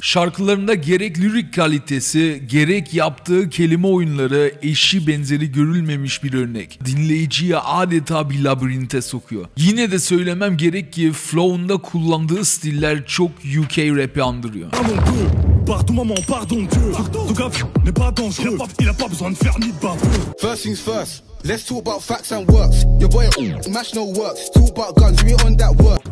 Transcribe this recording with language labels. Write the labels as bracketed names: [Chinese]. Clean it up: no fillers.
[Turkish] Şarkılarında gerek lirik kalitesi, gerek yaptığı kelime oyunları eşi benzeri görülmemiş bir örnek. Dinleyiciyi adeta bir labirinte sokuyor. Yine de söylemem gerek ki flow'unda kullandığı stiller çok UK rap'i andırıyor. [French] Pardon maman, pardon Dieu. Ton gars n'est pas dangereux. Il a pas besoin de faire ni de bavure. [English] First things first, let's talk about facts and works. Your boy mash no works. Talk about guns, we on that work.